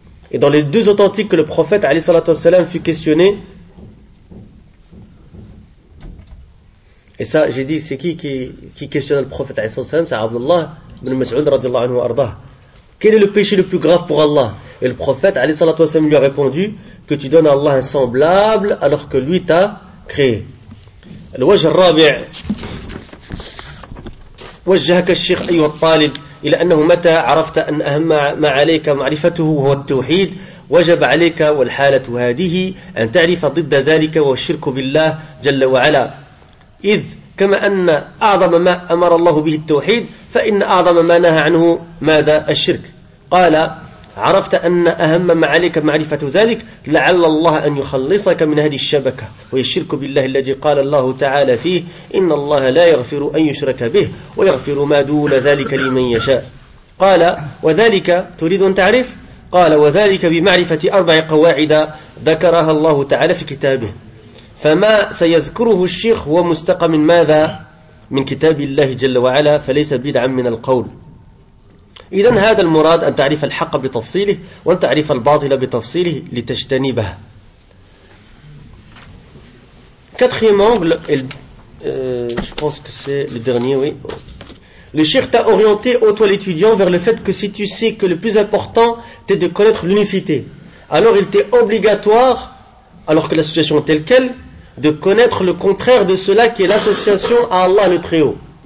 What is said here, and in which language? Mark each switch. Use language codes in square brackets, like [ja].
[fr] Et dans les deux authentiques que le prophète, alayhi salatu wassalam, fut questionné, et ça, j'ai dit, c'est qui questionne le prophète, alayhi salatu wassalam, c'est Abdullah ibn Mas'ud, radiallahu anhu, arda. Quel est le péché le plus grave pour Allah? Et le prophète, alayhi salatu wassalam, lui a répondu, que tu donnes à Allah un semblable alors que lui t'a créé. [ar] Le wajh al-rabi' وجهك الشيخ أيها الطالب إلى أنه متى عرفت أن أهم ما عليك معرفته هو التوحيد وجب عليك والحالة هذه أن تعرف ضد ذلك والشرك بالله جل وعلا إذ كما أن أعظم ما أمر الله به التوحيد فإن أعظم ما نهى عنه ماذا الشرك قال عرفت أن أهم ما عليك معرفة ذلك لعل الله أن يخلصك من هذه الشبكة ويشرك بالله الذي قال الله تعالى فيه إن الله لا يغفر أن يشرك به ويغفر ما دون ذلك لمن يشاء قال وذلك تريد أن تعرف قال وذلك بمعرفة أربع قواعد ذكرها الله تعالى في كتابه فما سيذكره الشيخ هو مستقى من ماذا من كتاب الله جل وعلا فليس بدعا من القول إذن هذا المراد أن تعرف الحق بتفصيله وأن تعرف الباطل بتفصيله لتجتنبه. [fr] Quatrième angle, je pense que c'est le dernier, oui. Le cheikh t'a orienté, toi l'étudiant, vers le fait que si tu sais que le plus important t'est de connaître l'unicité, alors il t'est obligatoire, alors que la situation est telle quelle, de connaître le contraire de cela qui est l'association à Allah le Très-Haut.